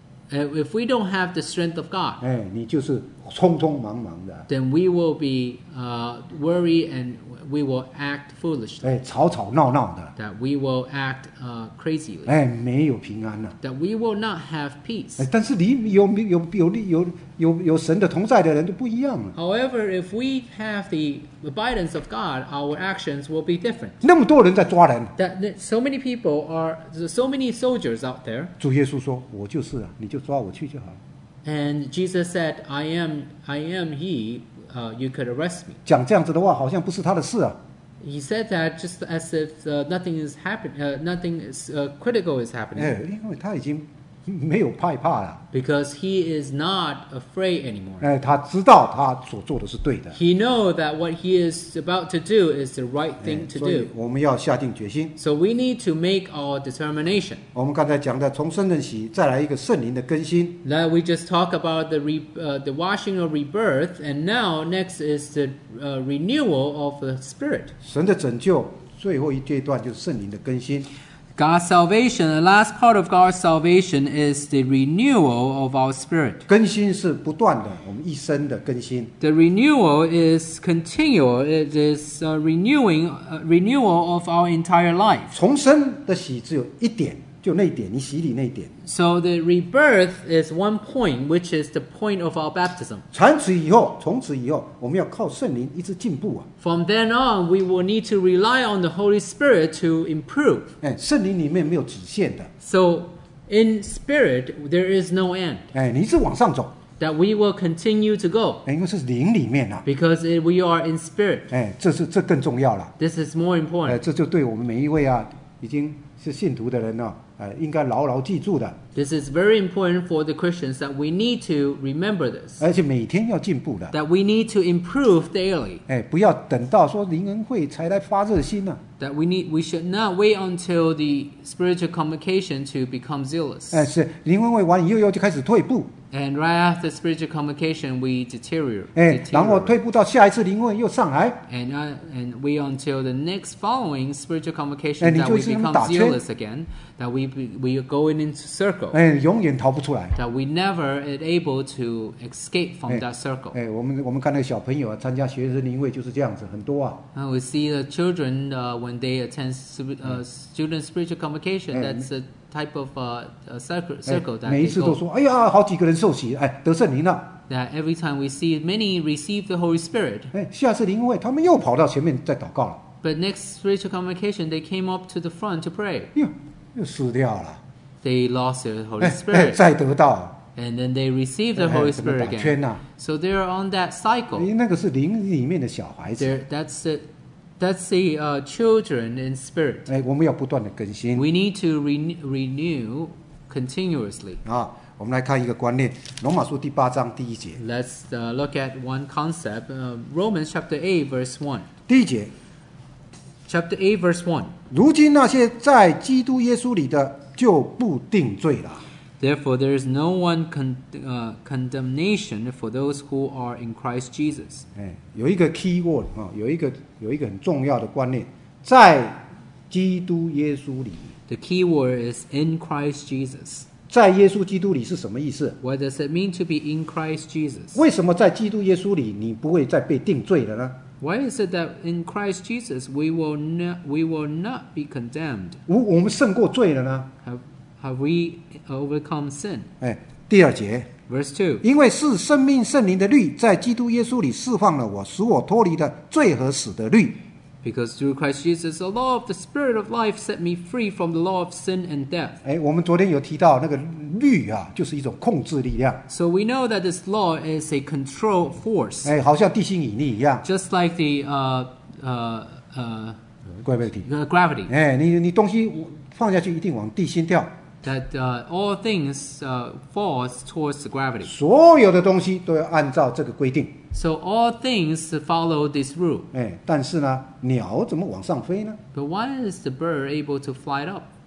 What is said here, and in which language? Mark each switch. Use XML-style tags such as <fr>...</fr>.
<en>If we don't have the strength of God.</en> <zh>你就是匆匆忙忙的。</zh> <en>Then we will be worried and we will act foolishly.</en> <zh>吵吵闹闹的。</zh> <en>That we will act crazily.</en> <zh>没有平安了。</zh> <en>That we will not have peace.</en> <zh>但是你有神的同在的人都不一样了。</zh> <en>However, if we have the abidance of God, our actions will be different.</en> <zh>那么多人在抓人。</zh> <en>That so many people are, so many soldiers out there.</en> <zh>主耶稣说，我就是啊，你就抓我去就好了。</zh> <en>And Jesus said, I am he, you could arrest me.</en> <zh>讲这样子的话好像不是他的事啊。</zh> <en>He said that just as if nothing is happening, nothing is, critical is happening.</en> <zh>因为他已经没有害怕了。</zh> <en>Because he is not afraid anymore.</en> <zh>他知道他所做的是对的。</zh> <en>He know that what he is about to do is the right thing to do.</en> <zh>所以我们要下定决心。</zh> <en>So we need to make our determination.</en> <zh>我们刚才讲的从圣灵洗再来一个圣灵的更新。</zh> <en>That we just talk about the washing of rebirth, and now next is the renewal of the spirit.</en> <zh>神的拯救最后一阶段就是圣灵的更新。</zh> <en>God's salvation, the last part of God's salvation is the renewal of our spirit.</en> <zh>更新是不断的，我们一生的更新。</zh> <en>The renewal is continual. It is a renewing, renewal of our entire life.</en> <zh>重生的洗只有一点，就那一点，你洗礼那一点。</zh> <en>So the rebirth is one point, which is the point of our baptism.</en> <zh>从此以后，我们要靠圣灵一直进步啊。</zh> <en>From then on, we will need to rely on the Holy Spirit to improve.</en> <zh>圣灵里面没有止限的。</zh> <en>So in spirit, there is no end.</en> <zh>你一直往上走。</zh> <en>That we will continue to go.</en> <zh>因为是灵里面啊。</zh> <en>Because we are in spirit.</en> <zh>这更重要了。</zh> <en>This is more important.</en> <zh>这就对我们每一位啊，已经是信徒的人啊。应该牢牢记住的。</zh> <en>This is very important for the Christians that we need to remember this.</en> <zh>而且每天要进步的。</zh> <en>That we need to improve daily.</en> <zh>不要等到说灵恩会才来发热心呢。</zh> <en>That we should not wait until the spiritual convocation to become zealous.</en> <zh>是灵恩会完以后就开始退步。</zh> <en>And right after spiritual convocation, we deteriorate.</en> <zh>然后退步到下一次灵恩又上来。</zh> <en>And we until the next following spiritual convocation that we become zealous again, that we are going into circle.</en> <zh>永远逃不出来。</zh> <en>That we never is able to escape from that circle.</en> <zh>我们看那个小朋友啊，参加学生灵会就是这样子，很多啊。</zh> <en>And we see the children when they attend student spiritual convocation. That's a type of circle that</en> <zh>每一次都说，哎呀，好几个人受洗，得圣灵了。</zh> <en>That every time we see many receive the Holy Spirit.</en> <zh>下次灵会他们又跑到前面再祷告了。</zh> <en>But next spiritual convocation, they came up to the front to pray.</en> <zh>又死掉了。</zh> <en>They lost the Holy Spirit.</en> <zh>再得到。</zh> <en>And then they receive the Holy Spirit again.</en> <zh>怎么打圈</zh> <en>呢？So they're on that cycle.</en> <zh>那个是灵里面的小孩子。</zh> <en>That's the children in spirit.</en> <zh>我们要不断的更新。</zh> <en>We need to renew continuously.</en> <zh>我们来看一个观念，罗马书第八章第一节。</zh> <en>Let's look at one concept. Romans chapter 8 verse 1.</en> <zh>第一节。</zh> <en>Chapter 8 verse 1.</en> <zh>如今那些在基督耶稣里的就不定罪了。</zh> <en>Therefore, there is no one condemnation for those who are in Christ Jesus.</en> <zh>有一个</zh> <en>key word,</en> <zh>有一个很重要的观念，在基督耶稣里。</zh> <en>The key word is in Christ Jesus.</en> <zh>在耶稣基督里是什么意思？</zh> <en>What does it mean to be in Christ Jesus?</en> <zh>为什么在基督耶稣里你不会再被定罪了呢？</zh> <en>Why is it that in Christ Jesus we will not be condemned?</en> <zh>我们胜过罪了呢？</zh> <en>Have we overcome sin?</en> <zh>第二节</zh> <en>Verse 2.</en> <zh>因为是生命圣灵的律在基督耶稣里释放了我使我脱离了罪和死的律。</zh> <en>Because through Christ Jesus, the law of the Spirit of life set me free from the law of sin and death.</en> <zh>我们昨天有提到那个律啊，就是一种控制力量。</zh> <en>So we know that this law is a control force.</en> <zh>好像地心引力一样。</zh> <en>Just like the gravity.</en> <zh>你东西放下去一定往地心掉。</zh> <en>That all things fall towards the gravity.</en> <zh>所有的东西都要按照这个规定。</zh> <en>So all things follow this rule.</en> <zh>但是呢，鸟怎么往上飞呢？</zh> <en>But why is the bird able to fly up?</en>